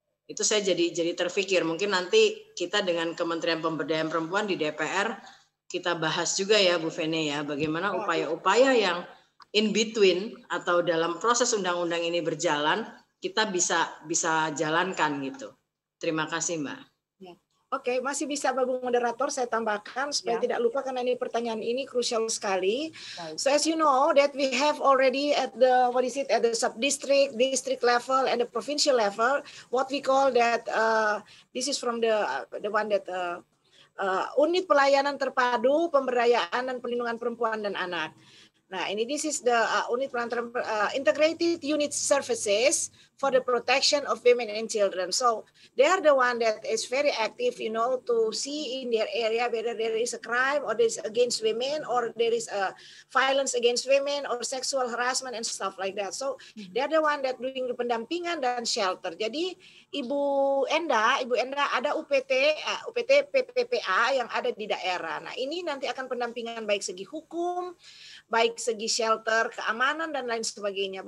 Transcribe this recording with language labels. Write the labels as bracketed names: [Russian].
[Indonesian] Itu saya jadi terpikir, mungkin nanti kita dengan Kementerian Pemberdayaan Perempuan di DPR kita bahas juga ya Bu Fene ya, bagaimana upaya-upaya yang [English] in between [Indonesian] atau dalam proses undang-undang ini berjalan kita bisa jalankan gitu. Terima kasih, Mbak. Ya. Oke, masih bisa Bapak moderator saya tambahkan supaya tidak lupa karena ini pertanyaan ini krusial sekali. [English] Right. So as you know that we have already at the sub-district, district level and the provincial level what we call that this is from the one that [Indonesian] unit pelayanan terpadu pemberdayaan dan perlindungan perempuan dan anak. Nah, ini [English] this is the unit pelayanan integrated unit services for the protection of women and children. So they are the one that is very active, you know, to see in their area whether there is a crime or this against women or there is a violence against women or sexual harassment and stuff like that. So they are the one that doing the [Indonesian] pendampingan dan [English] shelter. [Indonesian] Jadi Ibu Enda ada UPT PPPA yang ada di daerah. Nah, ini nanti akan pendampingan baik segi hukum, baik segi shelter, keamanan, dan lain sebagainya.